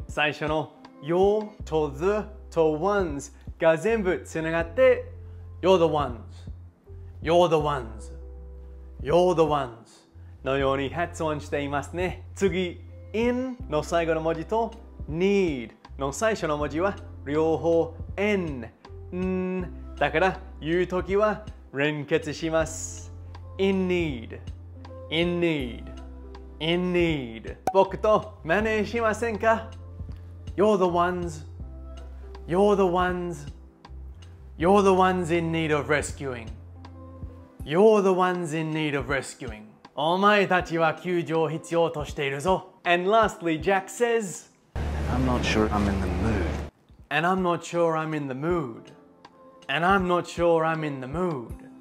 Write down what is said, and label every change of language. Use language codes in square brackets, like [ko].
[en] 最初の Your と The と Ones [ja] が全部つながって [en] You're the ones. You're the ones. You're the ones. [ja] のように発音していますね。次、in の最後の文字と need の最初の文字は両方 n だから言うときは連結します。 [en] in need, in need, in need [ja] 僕と真似しませんか [en] ?You're the ones, you're the ones, you're the ones in need of rescuing. You're the ones in need of rescuing. [ja] お前たちは救助を必要としているぞ。 [en] And lastly, Jack says, And I'm not sure I'm in the mood. And I'm not sure I'm in the mood. And I'm not sure I'm in the mood.